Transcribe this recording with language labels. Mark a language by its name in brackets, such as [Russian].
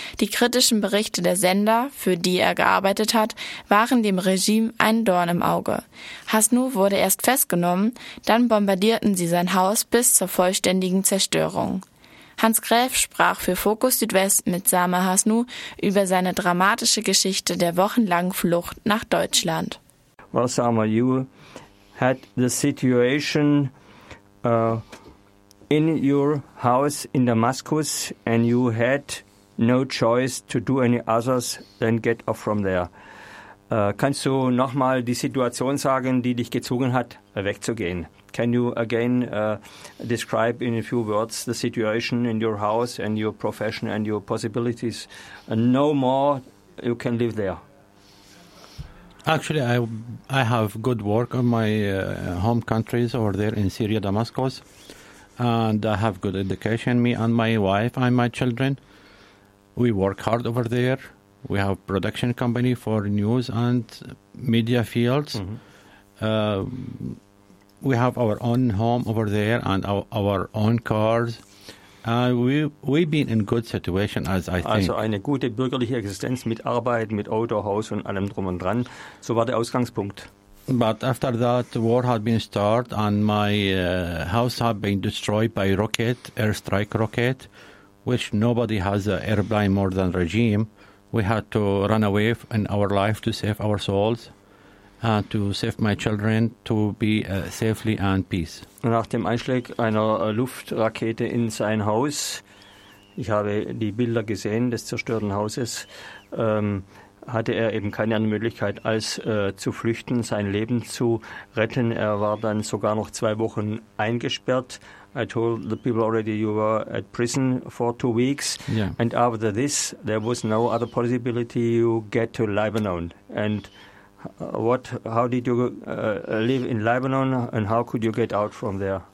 [German] Die kritischen Berichte der Sender, für die er gearbeitet hat, waren dem Regime ein Dorn im Auge. Hasnu wurde erst festgenommen, dann bombardierten sie sein Haus bis zur vollständigen Zerstörung. Hans Gräf sprach für Fokus Südwest mit Sama Hasnu über seine dramatische Geschichte der wochenlangen Flucht nach Deutschland. [English] Well, Sama, you had the situation in your house in Damascus and you had no choice to do any others than get off from there. [German] Kannst du nochmal die Situation sagen, die dich gezwungen hat, wegzugehen? [English] Can you again describe in a few words the situation in your house and your profession and your possibilities? No more you can live there. Actually, I have good work in my home countries over there in Syria, Damascus. And I have good education, me and my wife and my children. We work hard over there. We have production company for news and media fields. Mm-hmm. We have our own home over there and our own cars. We've been in good situation, as I think. [German] Also eine gute bürgerliche Existenz mit Arbeit, mit Auto, Haus und allem drum und dran. So war der Ausgangspunkt. [English] But after that, war had been started and my house had been destroyed by rocket, airstrike rocket. which nobody has an airplane more than regime. We had to run away in our life to save our souls, to save my children, to be safely and peace. [German] Nach dem Einschlag einer Luftrakete in sein Haus, ich habe die Bilder gesehen des zerstörten Hauses, hatte er eben keine andere Möglichkeit, als zu flüchten, sein Leben zu retten. Er war dann sogar noch 2 Wochen eingesperrt. [English] I told the people already you were at prison for 2 weeks. Yeah. And after this, there was no other possibility you get to Lebanon. And what? How did you live in Lebanon and how could you get out from there?